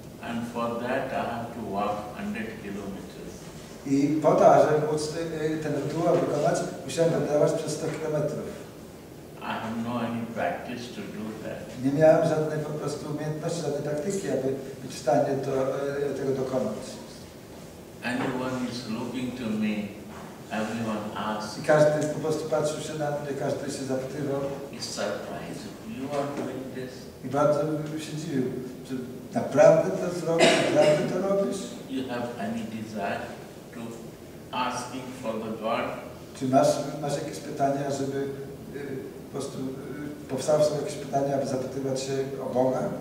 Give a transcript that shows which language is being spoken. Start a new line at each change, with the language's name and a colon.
English: And for that I have to walk 100 kilometers.
Polish: I po to, żeby móc ten rytuał wykonać, musiałem wędrować przez 100 kilometrów.
English: I have no any practice to do that.
Polish: Nie miałem żadnej po prostu umiejętności, żadnej praktyki, aby być w stanie tego dokonać.
English: Anyone is looking to me, everyone asks.
Polish: I każdy po prostu patrzył się na mnie, każdy się zapytywał.
English: He's surprised. You are doing this.
Polish: I bardzo się dziwił, czy naprawdę to zrobisz, naprawdę to robisz?
English: You have any desire to asking for the God?
Polish: Czy masz jakieś pytania, żeby po prostu powstały sobie jakieś pytania, aby zapytywać się o Boga?